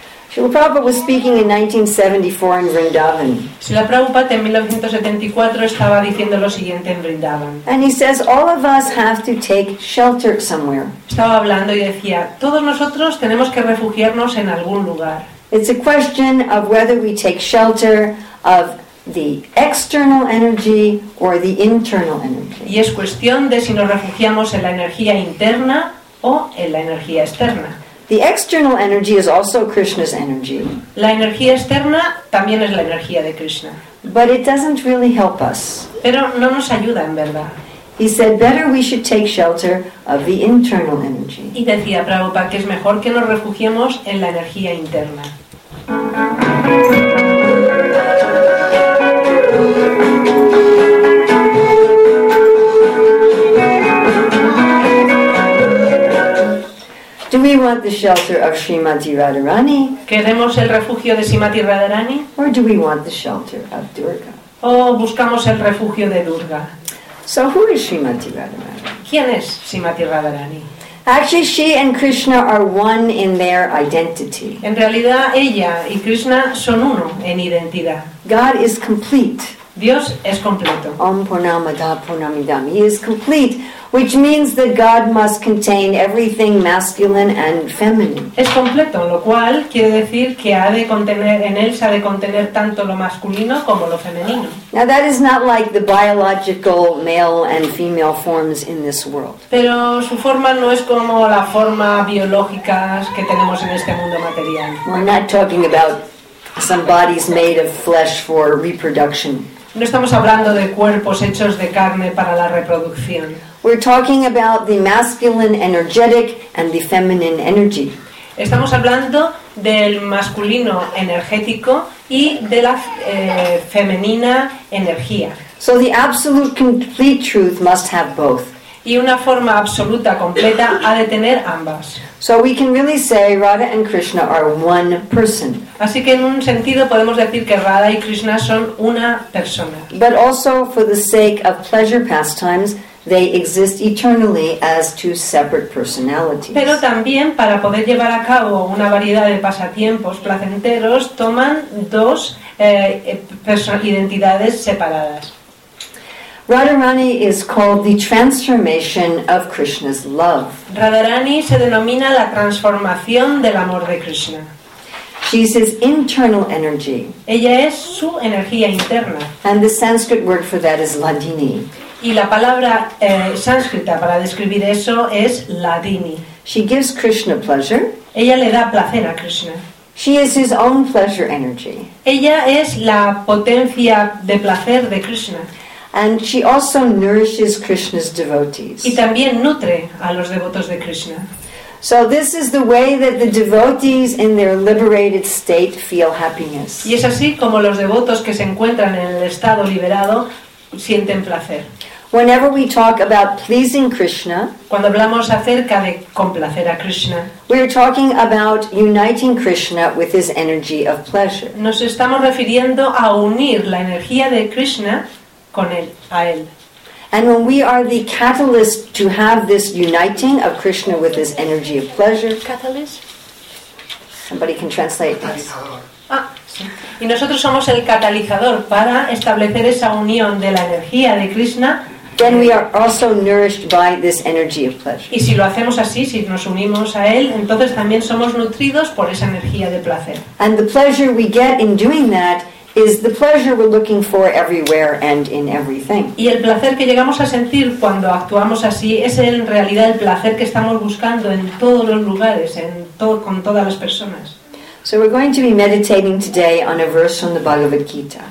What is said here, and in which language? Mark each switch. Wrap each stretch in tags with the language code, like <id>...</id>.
<en>Srila Prabhupada was speaking in 1974 in Vrindavan.</en> <es>Srila Prabhupada en 1974 estaba diciendo lo siguiente en Vrindavan.</es> <en>And he says all of us have to take shelter somewhere.</en> <es>Estaba hablando y decía, todos nosotros tenemos que refugiarnos en algún lugar.</es> <en>It's a question of whether we take shelter of the external energy or the internal energy.</en> <es>Y es cuestión de si nos refugiamos en la energía interna o en la energía externa.</es> <en>The external energy is also Krishna's energy.</en> <es>La energía externa también es la energía de Krishna.</es> <en>But it doesn't really help us.</en> <es>Pero no nos ayuda en verdad.</es> <en>He said better we should take shelter of the internal energy.</en> <es>Y decía Prabhupada que es mejor que nos refugiemos en la energía interna.</es> <en>Do we want the shelter of Srimati Radharani?</en> <es>¿Queremos el refugio de Srimati Radharani?</es> <en>Or do we want the shelter of Durga?</en> <es>¿O buscamos el refugio de Durga?</es> <en>So who is Srimati Radharani?</en> <es>¿Quién es Srimati Radharani?</es> <en>Actually, she and Krishna are one in their identity.</en> <es>En realidad, ella y Krishna son uno en identidad.</es> <en>God is complete.</en> <es>Dios es completo.</es> <sa>Om Purnamada Purnamidam.</sa> <en>He is complete, which means that God must contain everything masculine and feminine.</en> <es>Es completo, lo cual quiere decir que ha de contener en él se ha de contener tanto lo masculino como lo femenino.</es> <en>Now that is not like the biological male and female forms in this world.</en> <es>Pero su forma no es como la forma biológica que tenemos en este mundo material.</es> <en>We're not talking about some bodies made of flesh for reproduction.</en> <es>No estamos hablando de cuerpos hechos de carne para la reproducción.</es> <en>We're talking about the masculine energetic and the feminine energy.</en> <es>Estamos hablando del masculino energético y de la femenina energía.</es> <en>So the absolute complete truth must have both.</en> <es>Y una forma absoluta completa ha de tener ambas.</es> <en>So we can really say Radha and Krishna are one person.</en> <es>Así que en un sentido podemos decir que Radha y Krishna son una persona.</es> <en>But also for the sake of pleasure pastimes, they exist eternally as two separate personalities.</en> <es>Pero también para poder llevar a cabo una variedad de pasatiempos placenteros toman dos identidades separadas.</es> <en>Radharani is called the transformation of Krishna's love.</en> <es>Radharani se denomina la transformación del amor de Krishna.</es> <en>She's his internal energy.</en> <es>Ella es su energía interna.</es> <en>And the Sanskrit word for that is Ladini.</en> <es>Y la palabra sánscrita para describir eso es Ladini.</es> <en>She gives Krishna pleasure.</en> <es>Ella le da placer a Krishna.</es> <en>She is his own pleasure energy.</en> <es>Ella es la potencia de placer de Krishna.</es> <en>And she also nourishes Krishna's devotees.</en> <es>Y también nutre a los devotos de Krishna.</es> <en>So this is the way that the devotees in their liberated state feel happiness.</en> <es>Y es así como los devotos que se encuentran en el estado liberado sienten placer.</es> <en>Whenever we talk about pleasing Krishna,</en> <es>cuando hablamos acerca de complacer a Krishna,</es> <en>we are talking about uniting Krishna with his energy of pleasure.</en> <es>Nos estamos refiriendo a unir la energía de Krishna con él, a él.</es> <en>And when we are the catalyst to have this uniting of Krishna with his energy of pleasure, catalyst. Somebody can translate this.</en> <es>Ah, sí. Y nosotros somos el catalizador para establecer esa unión de la energía de Krishna.</es> <en>Then we are also nourished by this energy of pleasure.</en> <es>Y si lo hacemos así, si nos unimos a él, entonces también somos nutridos por esa energía de placer.</es> <en>And the pleasure we get in doing that is the pleasure we're looking for everywhere and in everything.</en> <es>Y el placer que llegamos a sentir cuando actuamos así es en realidad el placer que estamos buscando en todos los lugares, en todo, con todas las personas.</es> <en>So we're going to be meditating today on a verse from the Bhagavad Gita.</en>